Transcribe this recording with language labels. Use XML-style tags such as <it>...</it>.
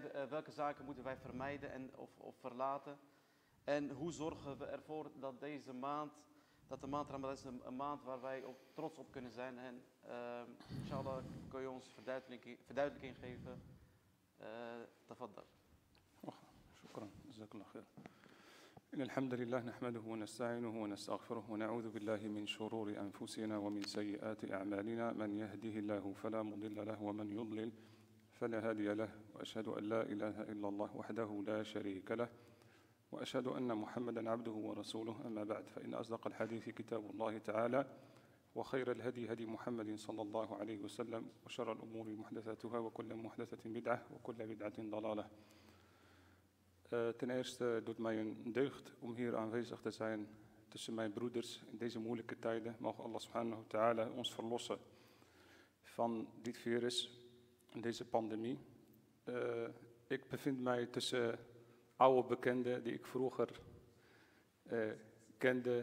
<nl>Welke zaken moeten wij vermijden of verlaten? En hoe zorgen we ervoor dat deze maand, dat de maand Ramadan is een maand waar wij ook trots op kunnen zijn? En inshallah, kun je ons verduidelijking geven?</nl> <ar>Tafaddal. Shukran. Jazakallah khair. إن الحمد لله نحمده ونستعينه ونستغفره ونعوذ بالله من شرور أنفسنا ومن سيئات أعمالنا من يهده الله فلا مضل له ومن يضلل فلا هادي له وأشهد أن لا إله إلا الله وحده لا شريك له وأشهد أن محمدا عبده ورسوله أما بعد فإن أصدق الحديث كتاب الله تعالى وخير الهدي هدي محمد صلى الله عليه وسلم وشر الأمور محدثاتها وكل محدثة بدعة وكل بدعة ضلالة.</ar> <nl>Ten eerste doet mij een deugd om hier aanwezig te zijn tussen mijn broeders in deze moeilijke tijden. Mag Allah subhanahu wa ta'ala ons verlossen van dit virus, deze pandemie. Ik bevind mij tussen oude bekenden die ik vroeger kende.</nl>